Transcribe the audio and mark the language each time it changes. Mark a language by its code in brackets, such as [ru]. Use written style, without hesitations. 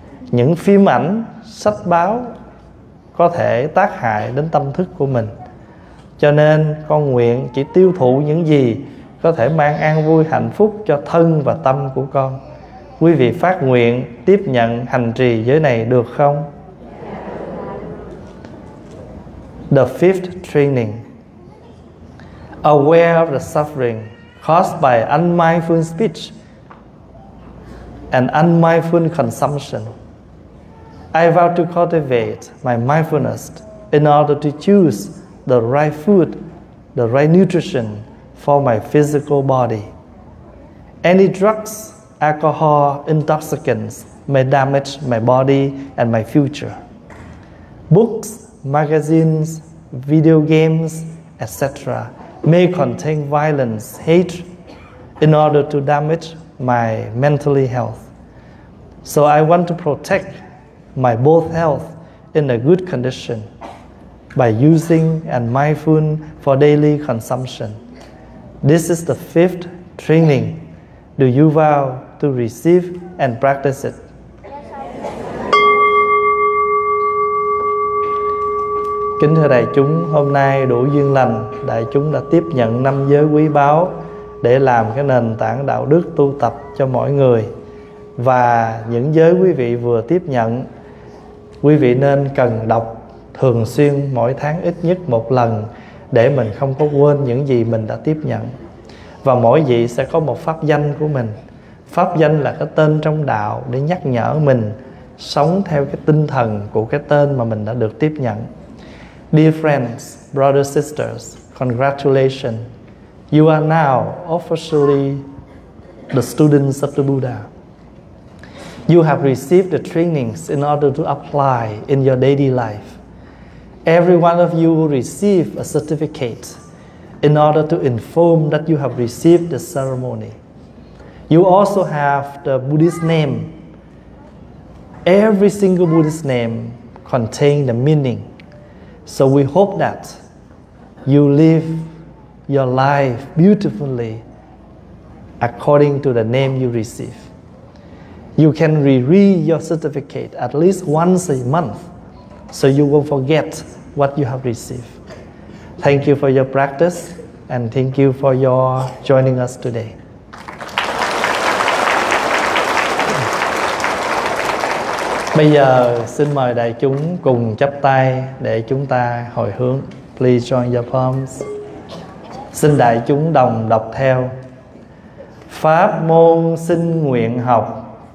[vi] Những phim ảnh, sách báo có thể tác hại đến tâm thức của mình. Cho nên con nguyện chỉ tiêu thụ những gì có thể mang an vui hạnh phúc cho thân và tâm của con. Quý vị phát nguyện tiếp nhận hành trì giới này được không? [en] The fifth training: aware of the suffering caused by unmindful speech and unmindful consumption, I vow to cultivate my mindfulness in order to choose the right food, the right nutrition for my physical body. Any drugs, alcohol, intoxicants may damage my body and my future. Books, magazines, video games, etc. may contain violence, hate, in order to damage my mentally health. So I want to protect my both health in a good condition by using and mindful for daily consumption. This is the fifth training. Do you vow to receive and practice it? [vi] Kính thưa đại chúng, hôm nay đủ duyên lành, đại chúng đã tiếp nhận năm giới quý báu để làm cái nền tảng đạo đức tu tập cho mọi người. Và những giới quý vị vừa tiếp nhận, quý vị nên cần đọc thường xuyên mỗi tháng ít nhất một lần để mình không có quên những gì mình đã tiếp nhận. Và mỗi vị sẽ có một pháp danh của mình. Pháp danh là cái tên trong đạo để nhắc nhở mình sống theo cái tinh thần của cái tên mà mình đã được tiếp nhận. [en] Dear friends, brothers, sisters, congratulations. You are now officially the students of the Buddha. You have received the trainings in order to apply in your daily life. Every one of you will receive a certificate in order to inform that you have received the ceremony. You also have the Buddhist name. Every single Buddhist name contains the meaning. So we hope that you live your life beautifully according to the name you receive. You can reread your certificate at least once a month so you won't forget what you have received. Thank you for your practice and thank you for your joining us today. [vi] Bây giờ xin mời đại chúng cùng chắp tay để chúng ta hồi hướng. [en] Please join your palms. [vi] Xin đại chúng đồng đọc theo. Pháp môn xin nguyện học.